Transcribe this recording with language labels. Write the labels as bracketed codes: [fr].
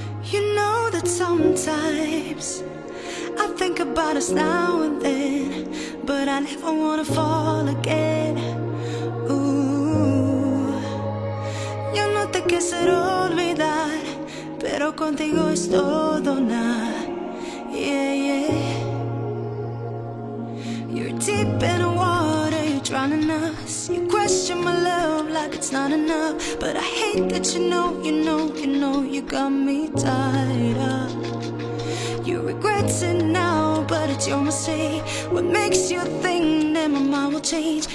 [en] You know that sometimes I think about us now and then, but I never wanna fall again. [es] Ooh, yo no te quisiera olvidar, pero contigo es todo nada. [en] Yeah, yeah. You're deep in the water, you're drowning us. You question my love like it's not enough, but I hate that you know, you know, you know you got me tied up. You regret it now, but it's your mistake. What makes you think that my mind will change?